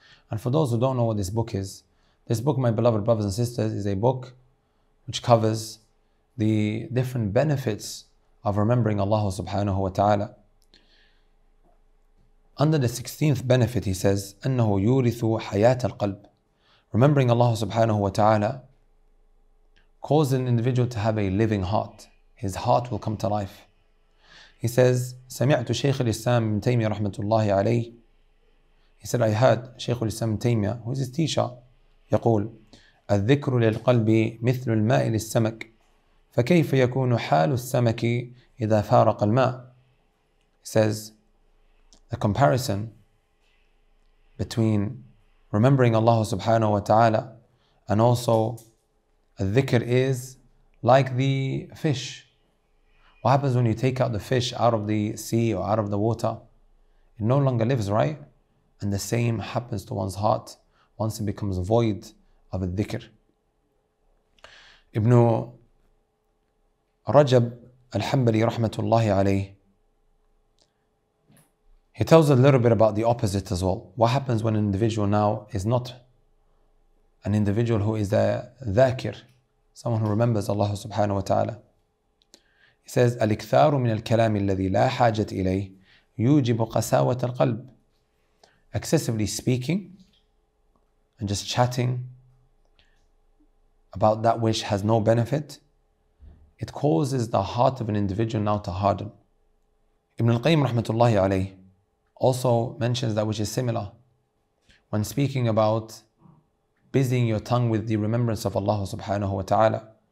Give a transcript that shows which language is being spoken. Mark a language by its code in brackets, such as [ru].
[en] And for those who don't know what this book is, this book, my beloved brothers and sisters, is a book which covers the different benefits of remembering Allah subhanahu wa ta'ala. Under the 16th benefit, he says, [ar] أنه يورث حياة القلب. [en] Remembering Allah subhanahu wa ta'ala causes an individual to have a living heart. His heart will come to life. He says, [ar] سمعت شيخ الإسلام بن تيمية رحمة الله عليه. [en] He said, I heard [ar] شيخ الإسلام بن تيمية, [en] who is his teacher, [ar] يقول, الذكر للقلب مثل الماء للسمك, فكيف يكون حال السمك إذا فارق الماء. [en] He says, the comparison between remembering Allah subhanahu wa ta'ala and also الذكر is like the fish. What happens when you take out the fish out of the sea or out of the water? It no longer lives, right? And the same happens to one's heart once it becomes void of a dhikr. Ibn Rajab al-Hanbali rahmatullahi alayh, he tells a little bit about the opposite as well. What happens when an individual now is not an individual who is a dhakir, someone who remembers Allah subhanahu wa ta'ala? He says, [ar] الاكثار من الكلام الذي لا حاجة إليه يوجب قساوة القلب. [en] Excessively speaking and just chatting about that which has no benefit, it causes the heart of an individual now to harden. Ibn al-Qayyim rahmatullahi alayhi also mentions that which is similar when speaking about busying your tongue with the remembrance of Allah subhanahu wa ta'ala.